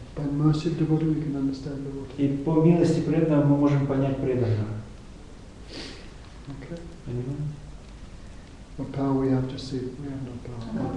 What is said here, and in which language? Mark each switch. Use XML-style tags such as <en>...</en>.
<en>By mercy of devotee we can understand the world.</en> <ru>И по милости преданного мы можем понять преданного.</ru> <en>Okay.</en> <ru>Понимаете?</ru> <en>What power we have to see, we have no power.</en>